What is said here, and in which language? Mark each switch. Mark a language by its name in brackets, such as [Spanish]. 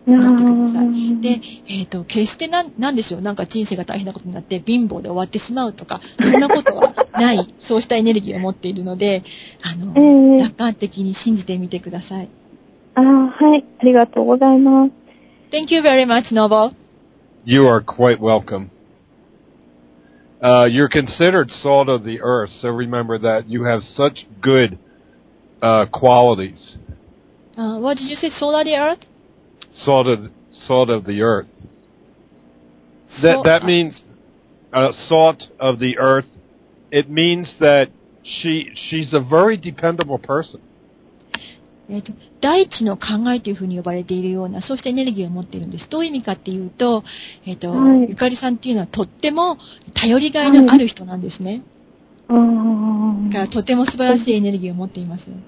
[Japanese] で、決してなんでしょう、なんか人生が大変なことになって貧乏で終わってしまうとか、そんなことはない、そうしたエネルギーを持っているので、楽観的に信じてみてください。はい、ありがとうございます。 [English] Thank you very much, Nobo. You are quite welcome. You're considered salt of the earth, so remember that you have such goodqualities. What did you say? Salt of the earth? Salt of the earth. That means salt of the earth it means that she's a very dependable person. [Japanese] 大地の考えというふうに呼ばれているような、そうしたエネルギーを持っているんです。どういう意味かっていうと、ゆかりさんっていうのはとっても頼りがいのある人なんですね。はい、だからとても素晴らしいエネルギーを持っています。